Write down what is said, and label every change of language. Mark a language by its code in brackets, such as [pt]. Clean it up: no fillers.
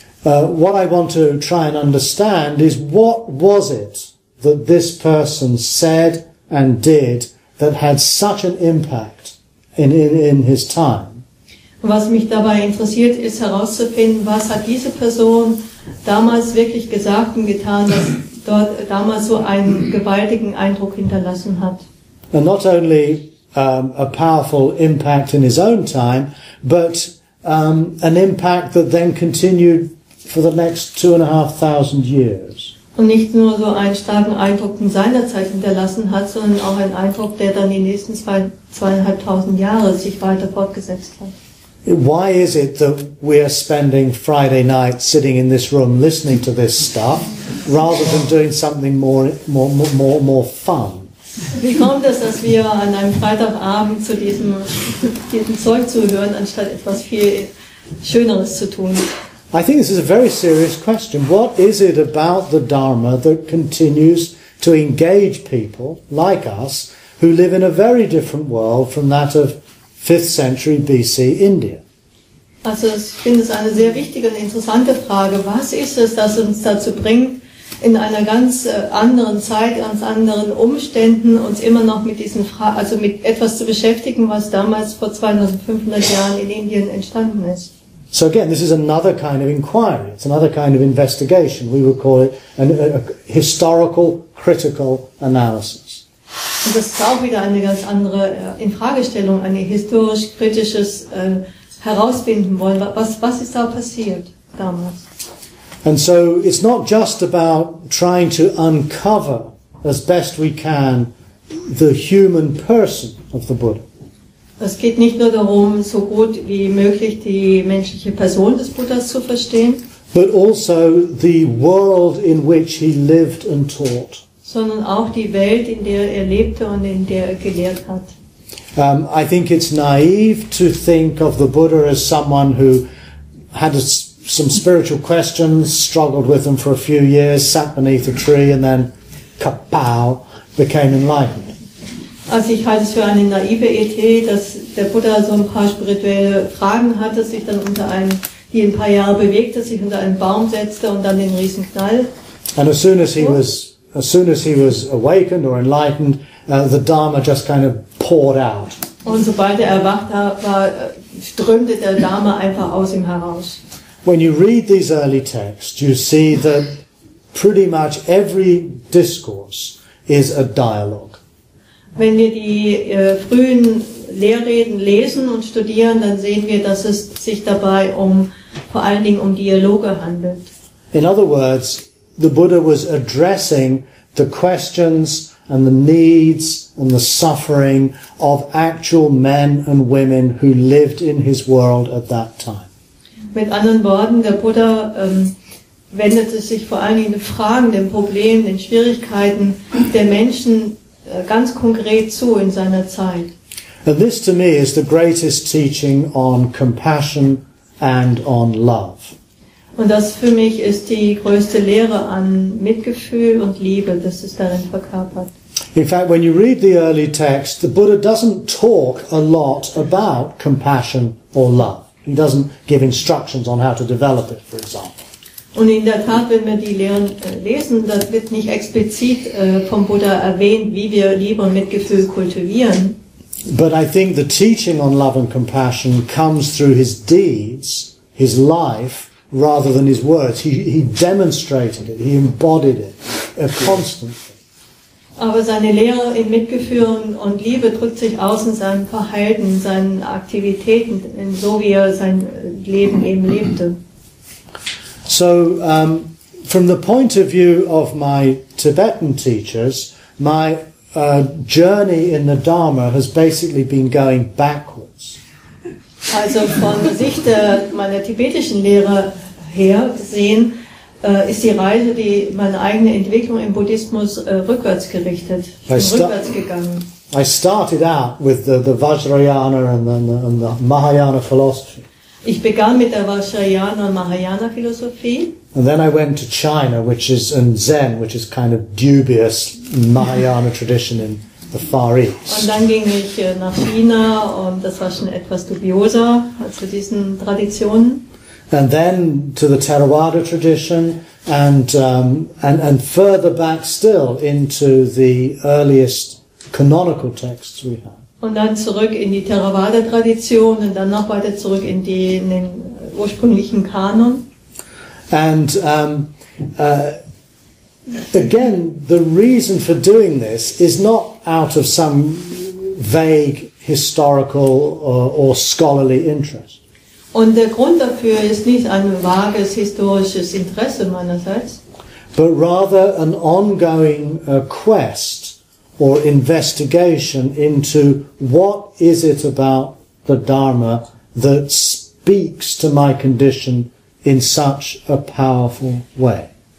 [en] What I want to try and understand is, what was it that this person said and did that had such an impact in his time? [de] Was mich dabei interessiert, ist herauszufinden, was hat diese Person damals wirklich gesagt und getan, dass dort damals so einen gewaltigen Eindruck hinterlassen hat. [en] And not only a powerful impact in his own time, but an impact that then continued for the next 2,500 years. [de] Und nicht nur so einen starken Eindruck in seiner Zeit hinterlassen hat, sondern auch einen Eindruck, der dann die nächsten 2,500 Jahre sich weiter fortgesetzt hat. [en] Why is it that we are spending Friday night sitting in this room listening to this stuff, rather than doing something more fun? [de] Wie kommt es, dass wir an einem Freitagabend zu diesem Zeug zuhören, anstatt etwas viel Schöneres zu tun? [en] I think this is a very serious question. What is it about the Dharma that continues to engage people like us who live in a very different world from that of 5th century BC India? [de] Also, ich finde es eine sehr wichtige und interessante Frage. Was ist es, das uns dazu bringt, in einer ganz anderen Zeit, ganz anderen Umständen uns immer noch mit diesen mit etwas zu beschäftigen, was damals vor 2500 Jahren in Indien entstanden ist? [en] So again, this is another kind of inquiry. It's another kind of investigation. We would call it a historical critical analysis. [de] Und das ist auch wieder eine ganz andere Infragestellung, eine historisch kritisches herausfinden wollen. Was ist da passiert damals? [en] And so it's not just about trying to uncover as best we can the human person of the Buddha. [de] Es geht nicht nur darum, so gut wie möglich die menschliche Person des Buddhas zu verstehen, [en] but also the world in which he lived and taught. [de] Sondern auch die Welt, in der er lebte und in der er gelehrt hat. [en] I think it's naive to think of the Buddha as someone who had some spiritual questions, struggled with them for a few years, sat beneath a tree and then kapow, became enlightened. [de] Also ich halte es für eine naive Idee, dass der Buddha so ein paar spirituelle Fragen hatte, sich dann die ein paar Jahre bewegte, sich unter einen Baum setzte und dann den Riesenknall. [en] And as soon as he was awakened or enlightened, the Dharma just kind of poured out. [de] Und sobald er erwacht war, strömte der Dharma einfach aus ihm heraus. [en] When you read these early texts, you see that pretty much every discourse is a dialogue. [de] Wenn wir die frühen Lehrreden lesen und studieren, dann sehen wir, dass es sich dabei vor allen Dingen um Dialoge handelt. [en] In other words, the Buddha was addressing the questions and the needs and the suffering of actual men and women who lived in his world at that time. [de] Mit anderen Worten, der Buddha wendete sich vor allen Dingen den Fragen, den Problemen, den Schwierigkeiten der Menschen ganz konkret zu in seiner Zeit. [en] And this to me is the greatest teaching on compassion and on love. [de] Und das für mich ist die größte Lehre an Mitgefühl und Liebe, das ist darin verkörpert. [en] In fact, when you read the early text, the Buddha doesn't talk a lot about compassion or love. He doesn't give instructions on how to develop it, for example. [de] Und in der Tat, wenn wir die Lehren lesen, das wird nicht explizit vom Buddha erwähnt, wie wir Liebe und Mitgefühl kultivieren. [en] But I think the teaching on love and compassion comes through his deeds, his life, rather than his words. He demonstrated it, he embodied it constantly. [de] Aber seine Lehre in Mitgefühl und Liebe drückt sich aus in seinem Verhalten, seinen Aktivitäten, in so wie er sein Leben eben lebte. [en] So, from the point of view of my Tibetan teachers, my journey in the Dharma has basically been going backwards. [de] Also von der Sicht meiner tibetischen Lehre her gesehen, ist die Reise, die meine eigene Entwicklung im Buddhismus rückwärts gerichtet, rückwärts gegangen. [en] I started out with the Vajrayana and the Mahayana philosophy. [de] Ich begann mit der Vajrayana und Mahayana Philosophie. [en] And then I went to China, which is in Zen, which is kind of dubious Mahayana tradition in the Far East. [de] Und dann ging ich nach China und das war schon etwas dubioser als zu diesen Traditionen. [en] And then to the Theravada tradition and further back still into the earliest canonical texts we have. [de] Und dann zurück in die Theravada Tradition und dann noch weiter zurück in den ursprünglichen Kanon. [en] And again, the reason for doing this is not out of some vague historical or scholarly interest. [de] Und der Grund dafür ist nicht ein vages historisches Interesse meinerseits. [en] But rather an ongoing quest or investigation into what is it about the Dharma that speaks to my condition in such a powerful way.